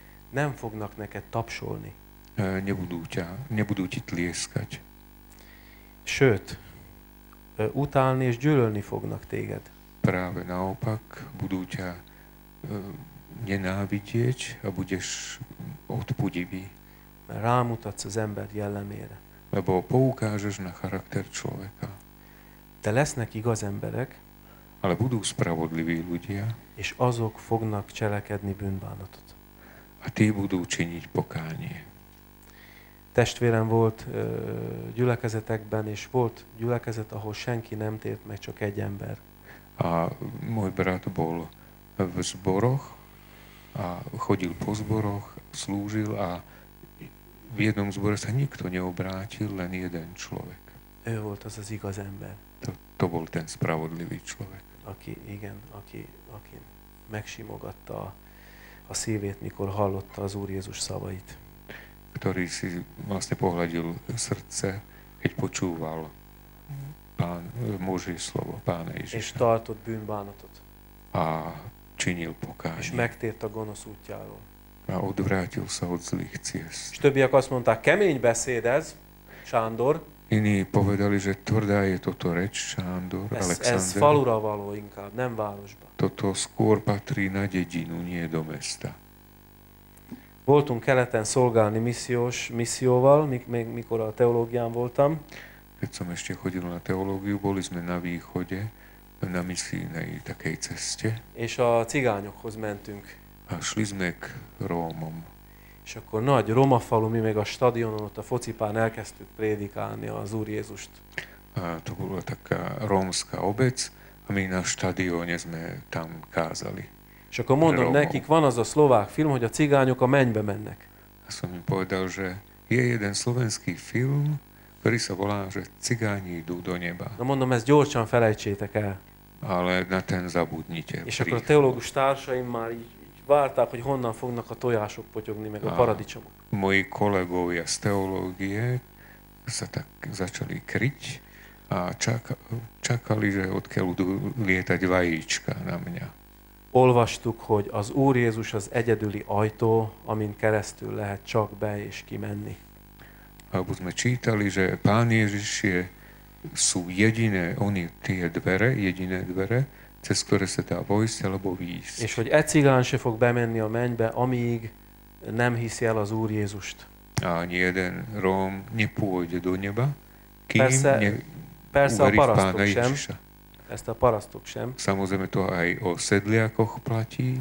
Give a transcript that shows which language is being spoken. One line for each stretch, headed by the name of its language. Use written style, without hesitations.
Hungarian: Nem fognak neked tapsolni.
Slovak: Nebudú ti tlieskať.
Hungarian: Sőt, utálni és gyűlölni fognak téged.
Slovak: Práve naopak, budú ťa nenávidieť a budeš odpudivý.
Hungarian: Rámutatsz az ember jellemére.
Slovak: Lebo poukážeš na charakter človeka.
Hungarian: De lesznek igaz emberek.
Slovak: Ale budú spravodliví ľudia.
Hungarian: És azok fognak cselekedni bűnbánatot.
Slovak: A ti budú činiť pokánie.
Hungarian: Testvérem volt gyülekezetekben, és volt gyülekezet, ahol senki nem tért meg, csak egy ember.
Slovak: A môj brat bol v zboroch, a chodil po zboroch, slúžil, a v jednom zbore sa nikto neobrátil, len jeden človek.
Hungarian: Ő volt az az igaz ember.
Slovak: To bol ten spravodlivý človek.
Hungarian: Aki, igen, aki megsimogatta a szívét, mikor hallotta az Úr Jézus szavait.
Slovak: Ktorý si vlastne pohľadil srdce, keď počúval Pán Boží slovo, Pána Ježiša.
Hungarian: És tartott bűnbánatot.
Slovak: A činil pokánie.
Hungarian: És megtért a gonosz útjáról.
Slovak: A odvrátil sa od zlých ciest.
Hungarian: S többiek azt mondták, kemény beszéd ez, Sándor.
Slovak: Iní povedali, že tvrdá je toto reč, Sándor, Alexander.
Hungarian: Ez falura való inkább, nem városba.
Slovak: Toto skôr patrí na dedinu, nie do mesta.
Hungarian: Voltunk keleten szolgálni missziós misszióval, mikor a teológián voltam.
Slovak: Keď som ešte chodil na teológiu, boli sme na východe, na misijnej takej ceste.
Hungarian: És a cigányokhoz mentünk.
Slovak: A šli sme k Rómom.
Hungarian: És akkor nagy roma falu, mi még a stadionon, ott a focipán elkezdtük prédikálni az Úr Jézust.
Slovak: A to bola taká rómska obec, a my na stadióne sme tam kázali.
Hungarian: És akkor mondom Rómom. Nekik, van az a szlovák film, hogy a cigányok a mennybe mennek. Azt mondom,
Slovak: povedal, že je jeden slovenský film, ktorý sa volá, že cigáni idú do neba.
Hungarian: Na mondom, ezt gyorsan felejtsétek el.
Slovak: Ale na ten zabudnite.
Hungarian: És akkor a teológus társaim már így várták, hogy honnan fognak a tojások potyogni, meg a paradicsomok.
Slovak: Moji kolegovia z teológie sa tak začali kryť a čakali, že odkiaľ budú lietať vajíčka na mňa.
Hungarian: Olvastuk, hogy az Úr Jézus az egyedüli ajtó, amin keresztül lehet csak be és kimenni.
Slovak: Abo sme čítali, že Pán Ježiš je, sú jediné, on je tie dvere, jediné dvere, cez ktoré sa dá vojsť alebo výjsť.
Hungarian: És hogy egy cigán se fog bemenni a mennybe, amíg nem hiszi el az Úr Jézust.
Slovak: A ani jeden Róm nepôjde do neba, kým
Hungarian: persze
Slovak: uverí v Pána Ježiša.
Hungarian: Ezt a parasztok sem.
Slovak: Samozrejme to aj o sedliakoch platí.